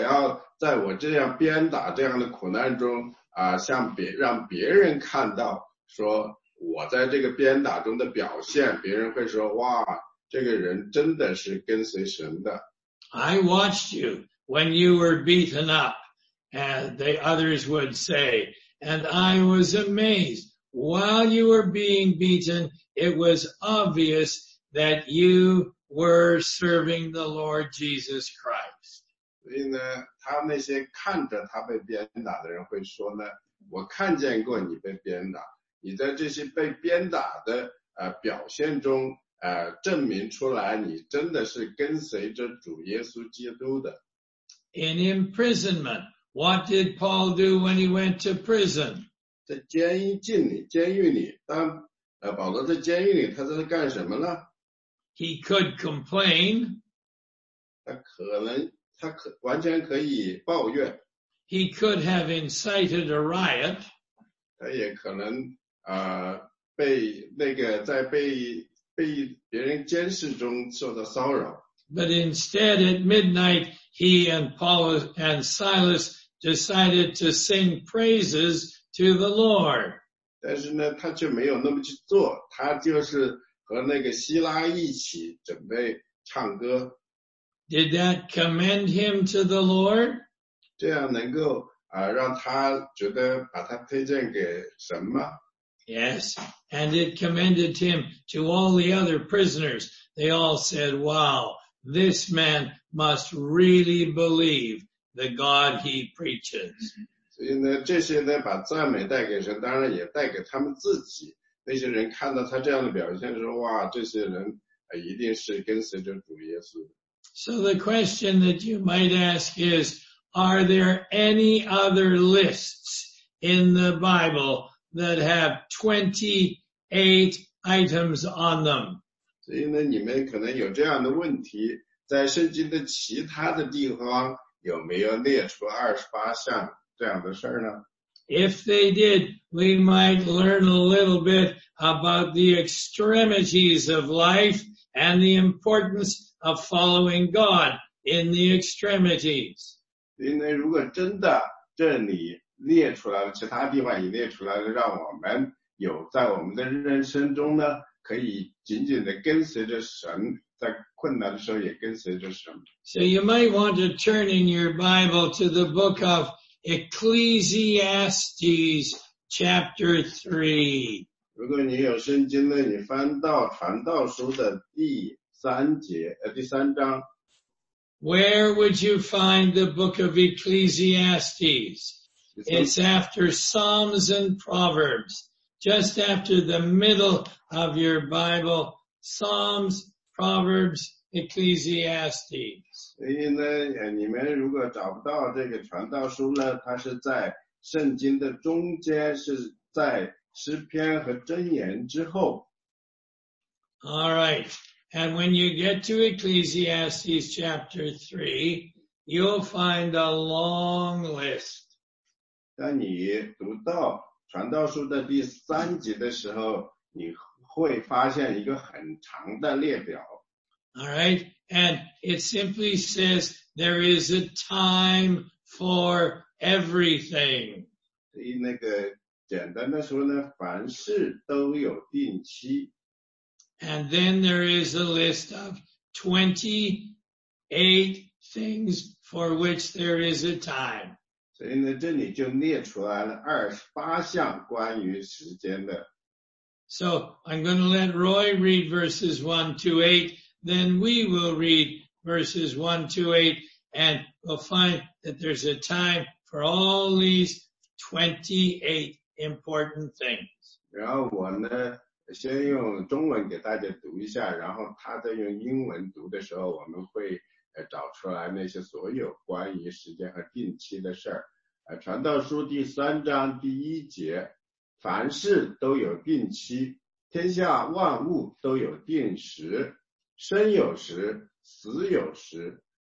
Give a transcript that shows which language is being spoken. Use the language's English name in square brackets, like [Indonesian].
[Chinese] 所以呢，保罗在这里基本上是说呢，我这一辈子被打了很多次，我一直是被鞭打，然后呢，我要在我这样鞭打这样的苦难中，让别人看到说我在这个鞭打中的表现，别人会说，哇，这个人真的是跟随神的。 [English] I watched you when you were beaten up, and the others would say, and I was amazed. While you were being beaten, it was obvious that you were serving the Lord Jesus Christ. [Chinese] 所以呢，他那些看着他被鞭打的人会说呢，我看见过你被鞭打，你在这些被鞭打的表现中证明出来你真的是跟随着主耶稣基督的。 [English] In imprisonment, what did Paul do when he went to prison? [Chinese] 在监狱里，当保罗在监狱里，他在干什么呢？ [English] He could complain. [Chinese] 他完全可以抱怨。 [English] He could have incited a riot. [Chinese] 他也可能被那个在被别人监视中受到骚扰。 [English] But instead, at midnight, he and Paul and Silas decided to sing praises to the Lord. [Chinese] 但是呢，他却没有那么去做，他就是和那个希拉一起准备唱歌。 [English] Did that commend him to the Lord? [Chinese] 这样能够让他觉得把他推荐给神吗？ [English] Yes, and it commended him to all the other prisoners. They all said, wow, this man must really believe the God he preaches. [Chinese] 所以呢，这些呢，把赞美带给神，当然也带给他们自己。那些人看到他这样的表现，说，哇，这些人一定是跟随着主耶稣。 [English] So the question that you might ask is, are there any other lists in the Bible that have 28 items on them? [Chinese] 所以呢，你们可能有这样的问题，在圣经的其他的地方有没有列出28项这样的事呢？ [English] If they did, we might learn a little bit about the extremities of life and the importance of following God in the extremities. [Chinese] 所以呢，如果真的这里列出来了，其他地方也列出来了，让我们有在我们的人生中呢，可以紧紧的跟随着神，在困难的时候也跟随着神。 [English] So you might want to turn in your Bible to the book of Ecclesiastes chapter 3. [Chinese] 如果你有圣经呢，你翻到传道书的第三章。 [English] Where would you find the book of Ecclesiastes? It's after Psalms and Proverbs, just after the middle of your Bible, Psalms, Proverbs, Ecclesiastes. [Chinese] 所以呢，你们如果找不到这个传道书呢，它是在圣经的中间，是在诗篇和箴言之后。 [English] All right. And when you get to Ecclesiastes chapter 3, you'll find a long list. [Chinese] 当你读到传道书的第三节的时候，你会发现一个很长的列表。 [English] All right, and it simply says there is a time for everything. [Chinese] 所以那个简单的说呢，凡事都有定期。 [English] And then there is a list of 28 things for which there is a time. [Chinese] 所以呢，这里就列出来了28项关于时间的。 [English] So, I'm going to let Roy read verses 1 to 8, then we will read verses 1 to 8, and we'll find that there's a time for all these 28 important things. [Chinese] 然后我呢，先用中文给大家读一下，然后他在用英文读的时候，我们会找出来那些所有关于时间和定期的事儿。传道书第三章第一节，凡事都有定期，天下万物都有定时，生有时，死有时，